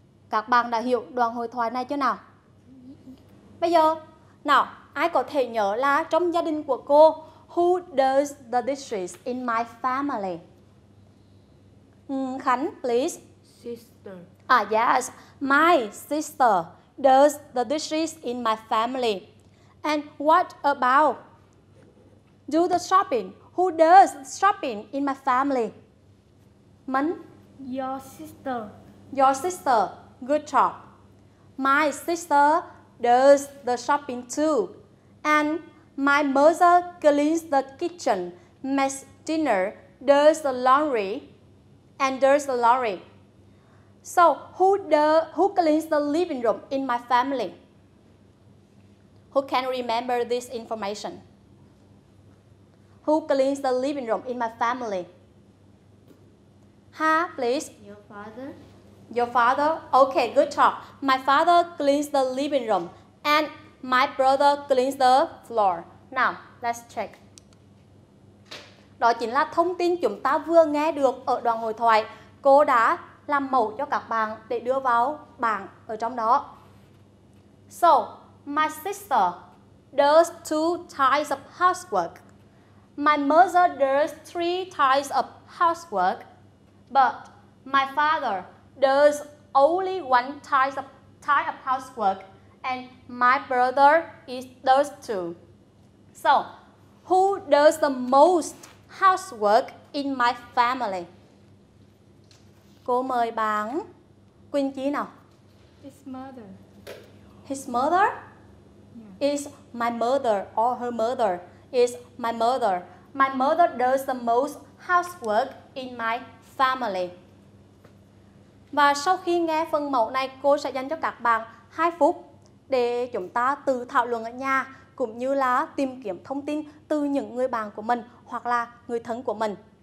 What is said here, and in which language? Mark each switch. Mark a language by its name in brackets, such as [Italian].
[Vietnamese] Các bạn đã hiểu đoạn hội thoại này chưa nào? Bây giờ, nào, ai có thể nhớ là trong gia đình của cô, [English] who does the dishes in my family? Khánh, please. Sister. Ah, yes. My sister does the dishes in my family. And what about do the shopping? Who does shopping in my family? Mẫn. Your sister. Your sister. Good job. My sister does the shopping too. And my mother cleans the kitchen, makes dinner, does the laundry, and does the laundry. So, who cleans the living room in my family? Who can remember this information? Who cleans the living room in my family? Ha, please. Your father. Your father? Okay, good job. My father cleans the living room and my brother cleans the floor. Now, let's check. [Vietnamese] Đó chính là thông tin chúng ta vừa nghe được ở đoạn hội thoại. Cô đã làm mẫu cho các bạn để đưa vào bảng ở trong đó. [English] So, my sister does two types of housework. My mother does three types of housework. But my father does only one type of housework. And my brother is does two. So, who does the most housework in my family? [Vietnamese] Cô mời bạn Quỳnh Chi nào. [English] His mother. His mother? Yeah. Is my mother or her mother? Is my mother. My mother does the most housework in my family. [Vietnamese] Và sau khi nghe phần mẫu này, cô sẽ dành cho các bạn 2 phút để chúng ta tự thảo luận ở nhà, cũng như là tìm kiếm thông tin từ những người bạn của mình hoặc là người thân của mình.